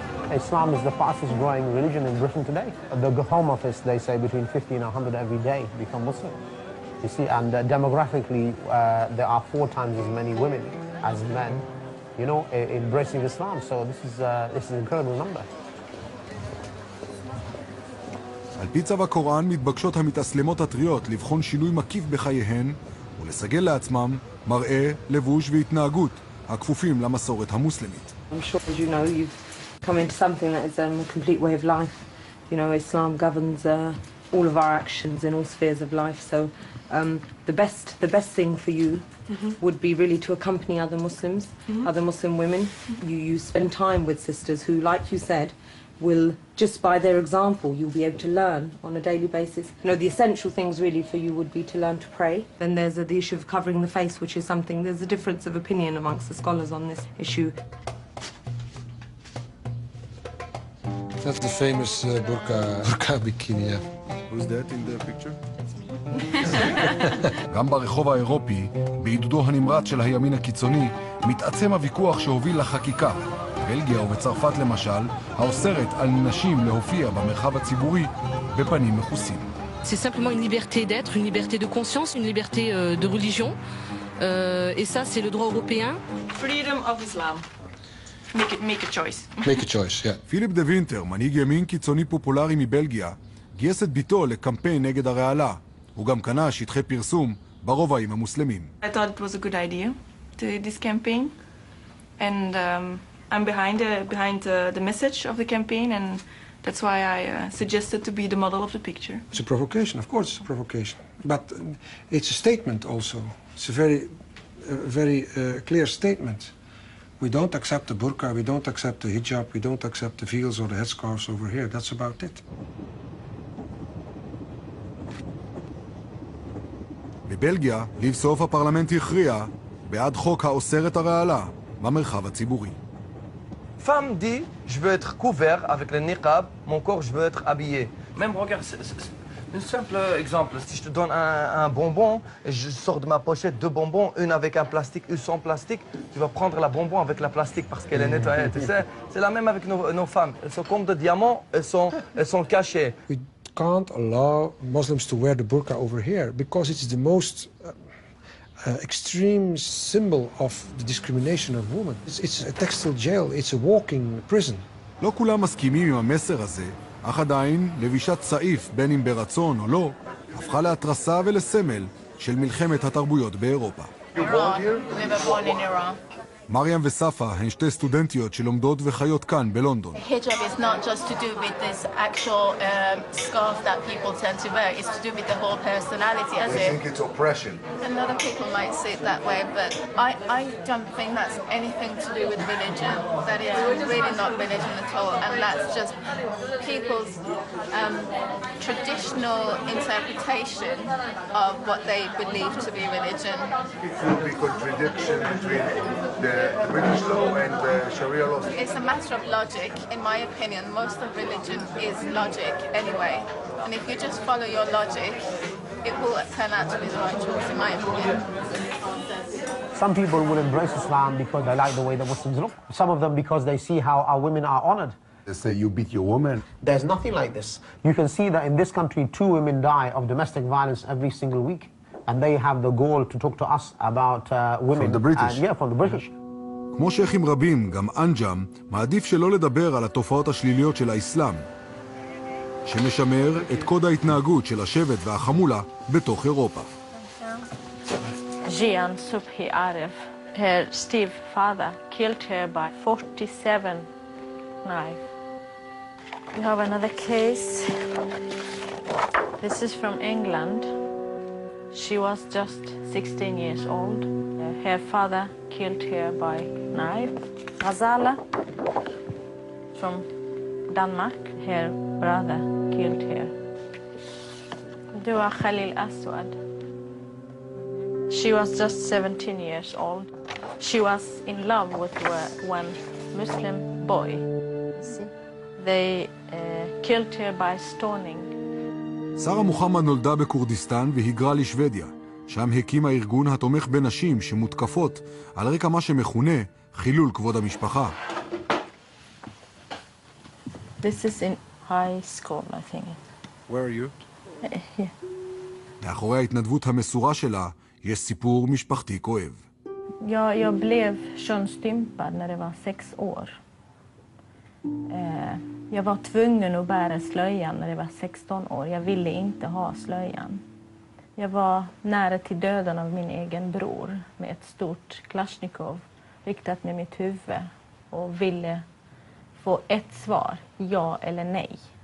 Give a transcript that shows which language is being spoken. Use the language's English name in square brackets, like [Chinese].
[English] Islam is the fastest growing religion in Britain today. The home office, they say between 50 and 100 every day become Muslim. You see, and demographically, there are 4 times as many women as men, you know, embracing Islam, so this is an incredible number. [Hebrew] על פי צו הקוראן מתבקשות המתאסלמות הטריות לבחון שינוי מקיף בחייהן ולסגל לעצמם מראה, לבוש והתנהגות הכפופים למסורת המוסלמית. [English] I'm sure, as you know, you've come into something that is a complete way of life. You know, Islam governs all of our actions in all spheres of life, so the best thing for you would be really to accompany other Muslims, other Muslim women. You spend time with sisters who, like you said, will, just by their example, you'll be able to learn on a daily basis. You know, the essential things really for you would be to learn to pray. Then there's the issue of covering the face, which is something, there's a difference of opinion amongst the scholars on this issue. That's the famous burqa bikini, yeah. Who's that in the picture? [Hebrew] גם ברחוב האירופי, בעידודו הנמרץ של הימין הקיצוני, מתעצם הוויכוח שהוביל לחקיקה. בלגיה ובצרפת למשל, האוסרת על נשים להופיע במרחב הציבורי בפנים מכוסים. [French] C'est simplement une liberté d'être, une liberté de conscience, une liberté de religion. Et ça, c'est le droit européen. [English] Freedom of Islam. Make a choice, yeah. [Hebrew] פיליפ דה וינטר, מנהיג ימין קיצוני פופולרי מבלגיה, גייס את ביתו לקמפיין נגד הרעלה. הוא גם קנה שטחי פרסום ברובעים המוסלמים. [English] I thought it was a good idea to this campaign, and I'm behind the message of the campaign, and that's why I suggested to be the model of the picture. It's a provocation, of course, it's a provocation, but it's a statement also. It's a very clear statement. We don't accept the burqa, we don't accept the hijab, we don't accept the veils or the headscarves over here. That's about it. [Hebrew] בבלגיה, לבסוף הפרלמנט הכריע בעד חוק האוסר את הרעלה במרחב הציבורי. [French] Femme dit, je veux être couvert avec le niqab, mon corps, je veux être habillé. Même regarde, c'est un simple exemple. Si je te donne un bonbon, je sors de ma pochette deux bonbons, une avec un plastique, une sans plastique, tu vas prendre la bonbon avec la plastique parce qu'elle est nettoyée, tu sais. C'est la même avec nos femmes. Elles sont comme des diamants, elles sont cachées. [English] Can't allow Muslims to wear the burqa over here because it's the most extreme symbol of the discrimination of women. It's a textile jail, it's a walking prison. [Hebrew] לא כולם מסכימים עם המסר הזה, אך עדיין לבישת צעיף, בין אם ברצון או לא, הפכה להתרסה ולסמל של מלחמת התרבויות באירופה. מריאם וספה הן שתי סטודנטיות שלומדות וחיות כאן בלונדון. [English] Hijab is not just to do with this actual scarf that people tend to wear, it's to do with the whole personality, isn't it? I think it's oppression. And other people might see it that way, but I don't think that's anything to do with religion. That is really not religion at all, and that's just people's traditional interpretation of what they believe to be religion. It could be contradiction between the British law and the Sharia law. It's a matter of logic. In my opinion, most of religion is logic anyway. And if you just follow your logic, it will turn out to be the right choice, in my opinion. Some people will embrace Islam because they like the way the Muslims look. Some of them because they see how our women are honored. They say you beat your woman. There's nothing like this. You can see that in this country, two women die of domestic violence every single week. And they have the goal to talk to us about women. From the British? From the British. [Hebrew] כמו שייחים רבים, גם אנג'אם מעדיף שלא לדבר על התופעות השליליות של האסלאם, שמשמר את קוד ההתנהגות של השבט והחמולה בתוך אירופה. [English] ג'יאן סובחי ערב, her Steve father killed her by 47 knife. We have another case. This is from England. She was just 16 years old. Her father killed her by knife. Azala from Denmark. Her brother killed her. Dua Khalil Aswad. She was just 17 years old. She was in love with one Muslim boy. They killed her by stoning. [Hebrew] שרה מוחמד נולדה בקורדיסטן והיגרה לשוודיה, שם הקימה ארגון התומך בנשים שמותקפות על רקע מה שמכונה חילול כבוד המשפחה. [English] This is in high school, I think. Where are you? [Hebrew] מאחורי ההתנדבות המסורה שלה יש סיפור משפחתי כואב. [Swedish] Jag blev könsstympad när det var 6 år. Jag var tvungen att bära slöjan när jag var 16 år. Jag ville inte ha slöjan. Jag var nära till döden av min egen bror med ett stort klasjnikov riktat med mitt huvud och ville få ett svar, ja eller nej.